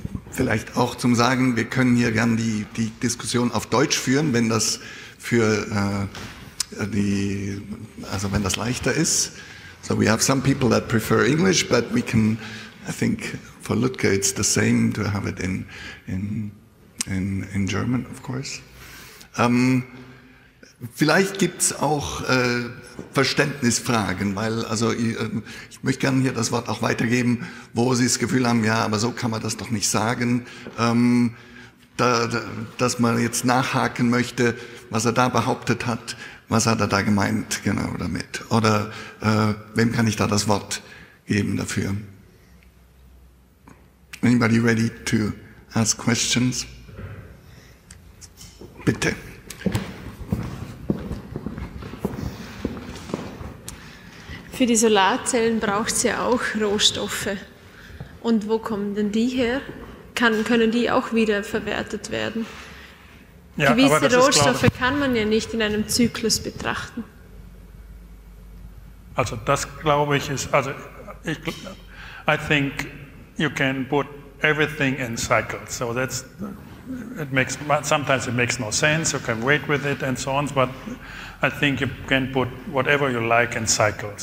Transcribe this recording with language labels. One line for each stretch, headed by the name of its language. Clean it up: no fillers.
German: Vielleicht auch zum Sagen, wir können hier gern die Diskussion auf Deutsch führen, wenn das wenn das leichter ist.
English: So we have some people that prefer English, but we can, I think for Ludger it's the same to have it in German, of course.
German: Vielleicht gibt's auch Verständnisfragen, weil ich möchte gerne hier das Wort auch weitergeben, wo Sie das Gefühl haben, ja, aber so kann man das doch nicht sagen, dass man jetzt nachhaken möchte, was er da behauptet hat, was hat er da gemeint genau damit? Oder wem kann ich da das Wort geben dafür?
English: Anybody ready to ask questions?
German: Bitte. Für die Solarzellen braucht es ja auch Rohstoffe. Und wo kommen denn die her? Können die auch wieder verwertet werden? Ja, gewisse aber das Rohstoffe ist klar, kann man ja nicht in einem Zyklus betrachten. Also das glaube ich ist, also ich,
English: I think you can put everything in cycles. So that's, it makes, sometimes it makes no sense, you can wait with it and so on, but I think you can put whatever you like in cycles.